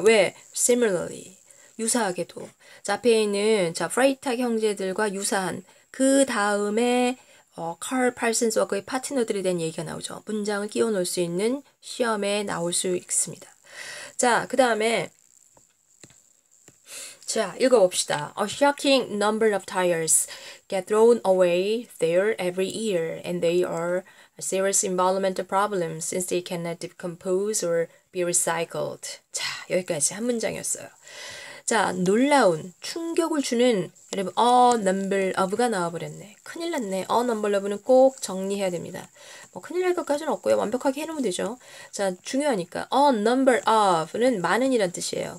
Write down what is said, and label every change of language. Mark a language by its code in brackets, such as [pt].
[ko] 왜? Similarly. 유사하게도. 자, 앞에 있는, 자, 프라이탁 형제들과 유사한. 그 다음에, 칼 팔슨스와 그의 파트너들에 대한 얘기가 나오죠. 문장을 끼워 넣을 수 있는 시험에 나올 수 있습니다. 자, 그 다음에. 자, 읽어봅시다. [en] A shocking number of tires get thrown away there every year, and they are a serious environmental problem since they cannot decompose or be recycled. [ko] 자, 여기까지 한 문장이었어요. 자, 놀라운, 충격을 주는, 여러분, a number of가 나와버렸네. 큰일 났네. a number of는 꼭 정리해야 됩니다. 뭐, 큰일 날 것까지는 없고요. 완벽하게 해놓으면 되죠. 자, 중요하니까. a number of는 많은이란 뜻이에요.